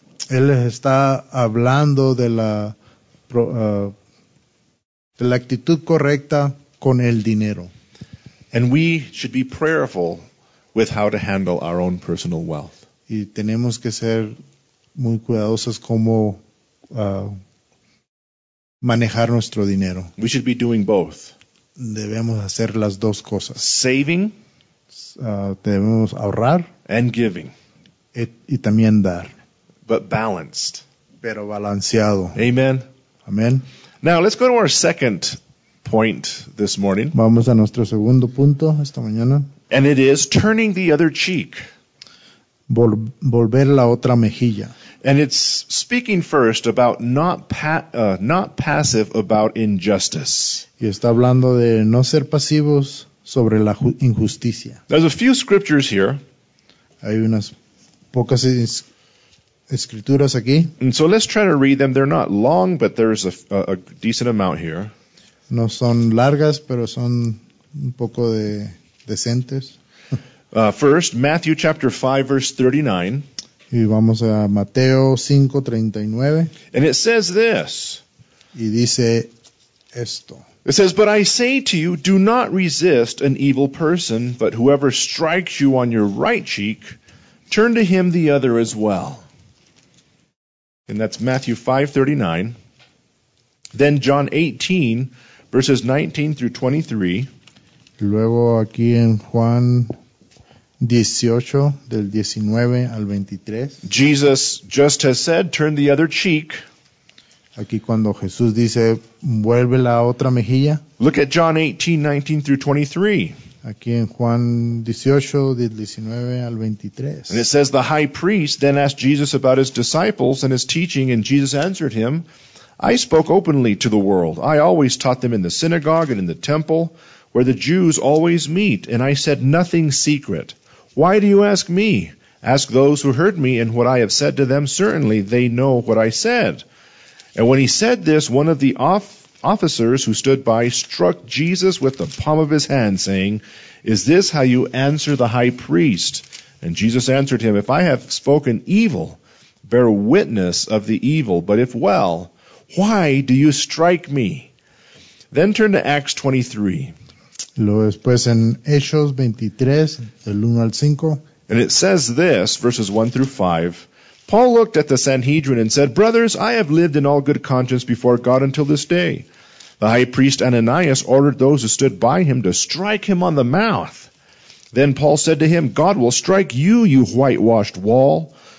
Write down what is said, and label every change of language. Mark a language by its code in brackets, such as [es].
[es] Él les está hablando de la la actitud correcta con el dinero. [en] And we should be prayerful with how to handle our own personal wealth. [es] Y tenemos que ser muy cuidadosos cómo manejar nuestro dinero. [en] We should be doing both. [es] Debemos hacer las dos cosas. [en] Saving. [es] Debemos ahorrar. [en] And giving. [es] Y también dar. [en] But balanced. [es] Pero balanceado. [en] Amen. [es] Amen. [en] Now let's go to our second point this morning. [es] Vamos a nuestro segundo punto esta mañana. [en] And it is turning the other cheek. [es] Volver la otra mejilla. [en] And it's speaking first about not passive about injustice. [es] Y está hablando de no ser pasivos sobre la injusticia. [en] There's a few scriptures here. [es] Hay unas pocas escrituras aquí. [en] And so let's try to read them. They're not long, but there's a decent amount here. [es] No son largas, pero son un poco de decentes. [en] First, Matthew chapter 5, verse 39. [es] Y vamos a Mateo 5:39. [en] And it says this. [es] Y dice esto. [en] It says, but I say to you, do not resist an evil person, but whoever strikes you on your right cheek, turn to him the other as well. And that's Matthew 5:39. Then John 18, verses 19 through 23. [es] Luego aquí en Juan 18, del 19 al 23. [en] Jesus just has said, turn the other cheek. [es] Aquí cuando Jesús dice, vuelve la otra mejilla. [en] Look at John 18, 19 through 23. [es] Aquí en Juan 18, del 19 al 23. [en] And it says, the high priest then asked Jesus about his disciples and his teaching, and Jesus answered him, I spoke openly to the world. I always taught them in the synagogue and in the temple, where the Jews always meet, and I said nothing secret. Why do you ask me? Ask those who heard me and what I have said to them. Certainly they know what I said. And when he said this, one of the officers who stood by struck Jesus with the palm of his hand, saying, is this how you answer the high priest? And Jesus answered him, if I have spoken evil, bear witness of the evil. But if well, why do you strike me? Then turn to Acts 23. [es] Luego después en Hechos 23, del 1 al 5. [en] And it says this, verses 1 through 5. Paul looked at the Sanhedrin and said, brothers, I have lived in all good conscience before God until this day. The high priest Ananias ordered those who stood by him to strike him on the mouth. Then Paul said to him, God will strike you, you whitewashed wall.